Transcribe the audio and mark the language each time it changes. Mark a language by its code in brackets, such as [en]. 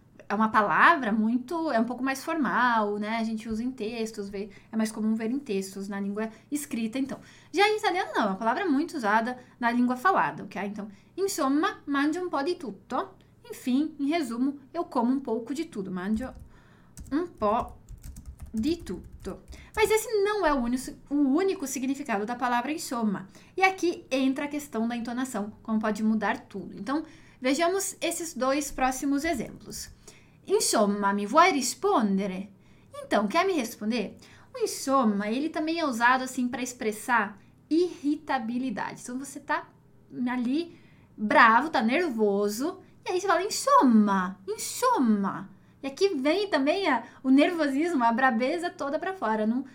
[pt] É uma palavra muito, é um pouco mais formal, né? A gente usa em textos, vê, é mais comum ver em textos na língua escrita, então. Já em italiano, não, é uma palavra muito usada na língua falada, ok? [it] Então, insomma, mangio un po' di tutto. [pt] Enfim, em resumo, eu como um pouco de tudo, [it] mangio un po' di tutto. [pt] Mas esse não é o único significado da palavra insomma. E aqui entra a questão da entonação, como pode mudar tudo. Então, vejamos esses dois próximos exemplos. [it] Insomma, mi vuoi rispondere? [pt] Então, quer me responder? O insomma, ele também é usado assim para expressar irritabilidade. Então, você tá ali bravo, tá nervoso, e aí você fala, insomma, insomma. E aqui vem também o nervosismo, a brabeza toda para fora, não?